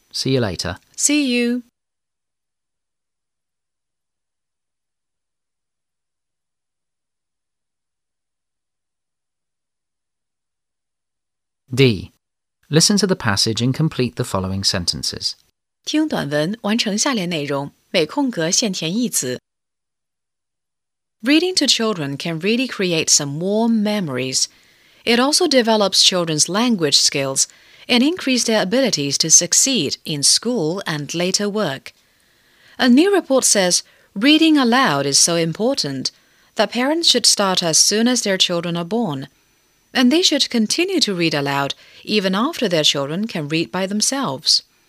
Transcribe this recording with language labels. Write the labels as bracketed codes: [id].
[en] See you later. See you. D. Listen to the passage and complete the following sentences. [zh] 听短文，完成下列内容，每空格限填一词。 [en] Reading to children can really create some warm memories. It also develops children's language skills and increase their abilities to succeed in school and later work. A new report says Reading aloud is so important that parents should start as soon as their children are born, and they should continue to read aloud even after their children can read by themselves.